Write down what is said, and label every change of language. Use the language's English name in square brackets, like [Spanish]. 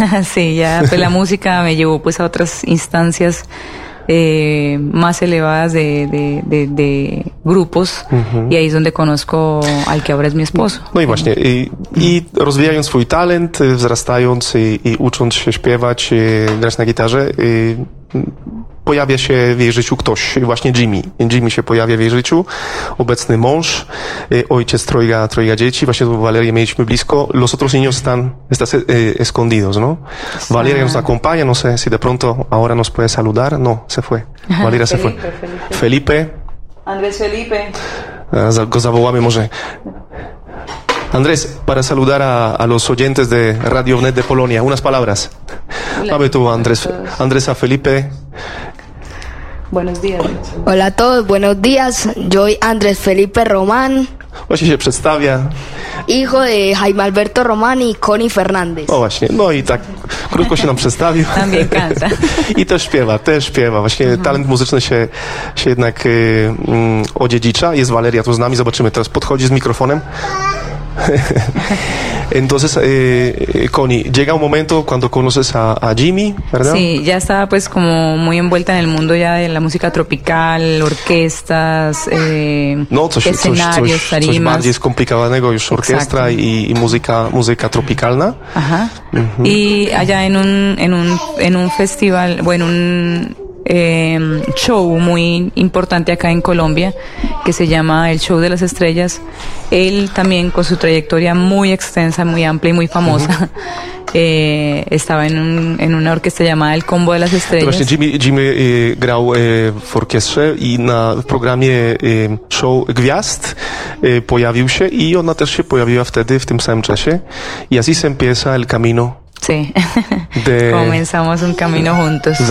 [Spanish] Sí, ya pues la música me llevó pues a otras instancias más elevadas de grupos y ahí es donde conozco al que ahora es mi esposo. [Polish] No y właśnie i rozwijając swój talent, wzrastając i ucząc się śpiewać, grać na gitarze, pojawia się w jej życiu ktoś, właśnie Jimmy. Jimmy się pojawia w jej życiu, obecny mąż, ojciec trojga dzieci. Właśnie tu Valeria mieliśmy blisko. [Spanish] Los otros niños están escondidos, ¿no? Valeria nos acompaña, no sé si de pronto ahora nos puede saludar. No, se fue. Valeria se fue. Felipe. Andrés Felipe. [Polish] Go zawołamy może. [Spanish] Andrés, para saludar a los oyentes de Radio Net de Polonia, unas palabras. [Polish] Mamy tu Andrés a Felipe. [Spanish] Buenos días. Hola a todos, buenos días. Yo soy Andrés Felipe Román. [Polish] Właśnie się przedstawia. [Spanish] Hijo de Jaime Alberto Román y Connie Fernández. [Polish] O właśnie, no i tak krótko się nam przedstawił. [Spanish] También canta. [Polish] I też śpiewa. Właśnie talent muzyczny się jednak odziedzicza. Jest Valeria tu z nami, zobaczymy. Teraz podchodzi z mikrofonem. [Spanish] Entonces, Connie, llega un momento cuando conoces a Jimmy, ¿verdad? Sí, ya estaba pues como muy envuelta en el mundo ya de la música tropical, orquestas, escenarios, tarimas. [Polish] Coś bardziej skomplikowanego już, orkiestra i muzyka tropicalna. [Spanish] Ajá. Y allá en un festival, bueno, un show muy importante acá en Colombia que se llama El Show de las Estrellas. Él también, con su trayectoria muy extensa, muy amplia y muy famosa, estaba en una orquesta llamada El Combo de las Estrellas. [Polish] Właśnie Jimmy grał w orkiestrze i na programie Show Gwiazd pojawił się i ona też się pojawiła wtedy, w tym samym czasie. [Spanish] Y así se empieza el camino. Sí. Comenzamos un camino juntos.